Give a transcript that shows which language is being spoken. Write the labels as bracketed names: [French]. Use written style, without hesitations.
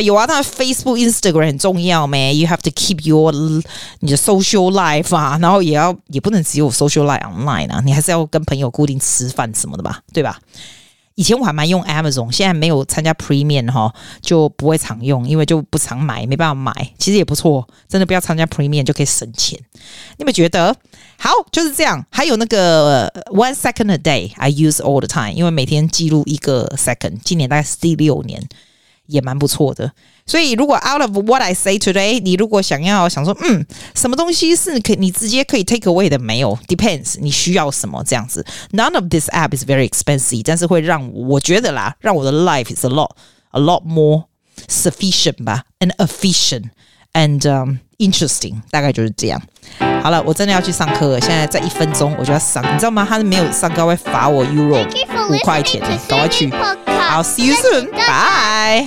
[Chinese] 有啊，当然 Facebook、Instagram 很重要没 ？ [English] You have to keep your [Chinese] 你的 social life 啊，然后也不能只有 social life online 啊，你还是要跟朋友固定吃饭什么的吧，对吧？以前我还蛮用 Amazon， 现在没有参加 Premium 哈，就不会常用，因为就不常买，没办法买。其实也不错，真的不要参加 Premium 就可以省钱。你们觉得？好，就是这样。还有那个 [English] 1 second a day I use all the time， [Chinese] 因为每天记录1 second， 今年大概是第6年。也蛮不错的，所以如果 [English] out of what I say today， [Chinese] 你如果想要想说，什么东西是你直接可以 take away 的，没有 ，depends， 你需要什么这样子。 [English] None of this app is very expensive， [Chinese] 但是会让我觉得啦，让我的 [English] life is a lot more sufficient 吧 ，and efficient and interesting， [Chinese] 大概就是这样。好了，我真的要去上课了，现在在1分钟我就要上，你知道吗？他没有上课会罚我 Euro 5块钱，赶快去。 [English] I'll see you soon. Bye.